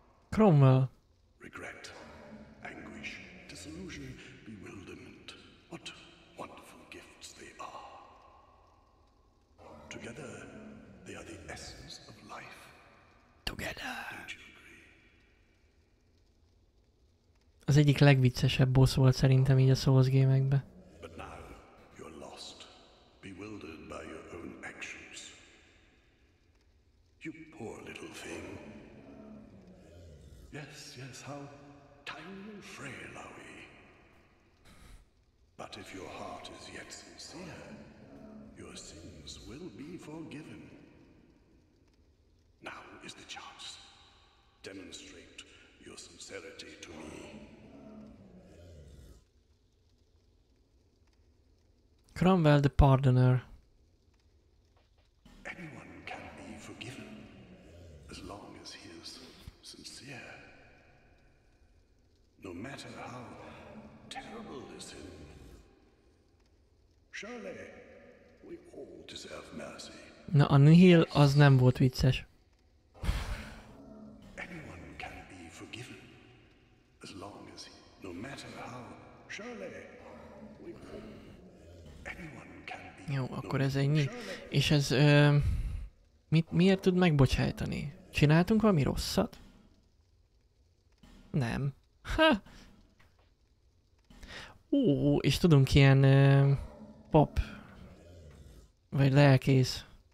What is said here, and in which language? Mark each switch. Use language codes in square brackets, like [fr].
[en] Cromwell. Regret, anguish, disillusion, bewilderment. What wonderful gifts they are. Together, they are the essence of life. Together. Don't you agree? [hu] Az egyik legviccesebb boss volt szerintem így a Souls game-ekbe. [en] But now, you're lost, bewildered by your own actions. You poor little thing. Yes, yes, how tiny and frail are we. But if your heart is yet sincere, your sins will be forgiven. Now is the chance. Demonstrate your sincerity to me. Cromwell the Pardoner. Anyone can be forgiven, as long as he is sincere. No matter how terrible the sin. Surely, we all deserve mercy. [hu] Na, a nihil az nem volt vicces. [en] Anyone can be forgiven, as long as he, no matter how, surely, we all, anyone can be forgiven. [hu] Jó, akkor ez ennyi. És ez, miért tud megbocsájtani? Csináltunk valami rosszat? Nem. Ha! És tudunk ilyen, pap, vagy lelkész.